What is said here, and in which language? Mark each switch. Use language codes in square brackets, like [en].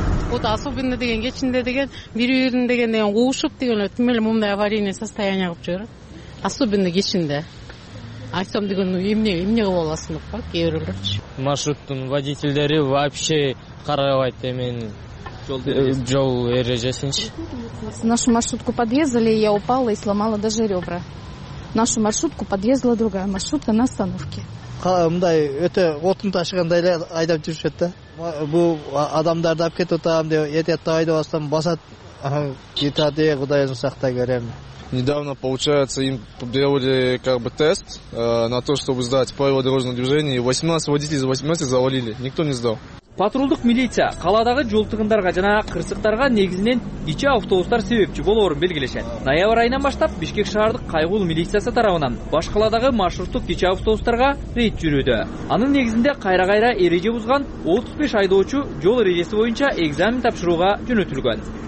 [ru] Вот особенно [ky] деген кечинде деген бири бирин деген куушуп деген эле мындай [ru] аварийный состояние [ky] кылып жүрөт. [ru] Особенно [ky] кечинде. Айтсам деген эмне кылып аласың деп кое бирөөлөрчү. Маршруттун водительдери [ru] вообще [ky] карабайт эмени жол эрежесинчи. [ru] Нашу маршрутку подъездили, я упала и сломала даже ребра. Нашу маршрутку подъездила другая маршрутка на остановке. [ky] Мындай өтө отун ташыгандай эле айдап жүрүшөт да. Бул адамдарды алып кетип атам деп этиятта айдап алсам басат жетат э, кудай сактай берем. [ru] Недавно, получается, им делали как бы тест на то, чтобы сдать правила дорожного движения. И 18 водителей из 18 завалили. Никто не сдал. [ky] Патрулдук милиция каладагы жол тыгындарга жана кырсыктарга негизинен кичи автобустар себепчи болоорун белгилешет. Ноябрь айынан баштап Бишкек шаардык кайгуул милициясы тарабынан баш каладагы маршруттук кичи автобустарга рейд жүрүүдө. Анын негизинде кайра-кайра эреже бузган 35 айдоочу жол эрежеси боюнча экзамен тапшырууга жөнөтүлгөн.